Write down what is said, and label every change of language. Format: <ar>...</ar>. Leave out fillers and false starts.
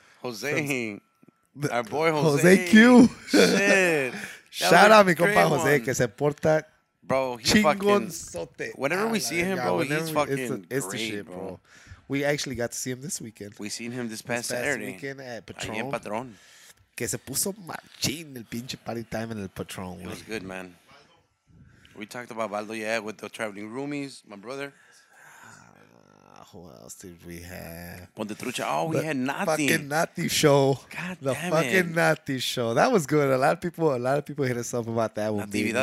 <en>Jose. Our boy Jose. Jose Q. Shit.</en> <es>Shout out mi compa Jose, que se porta</es> <en>bro,</en> <es>chingonzote.</es> <en>Whenever we see him, bro, he's fucking it's great, the shit, bro. We actually got to see him this weekend. We seen him this past Saturday. Weekend at Patron. Ahí</en> <es>en Patron. Que se puso machín el pinche party time en el Patron.</es> <en>It was good, man. We talked about Baldo, with the Traveling Roomies, my brother. Who else did we have? Ponte Trucha. Oh, we had Nati. Fucking Nati show. God damn it. The fucking Nati show. That was good. A lot of people hit us up about that one. Natividad</en>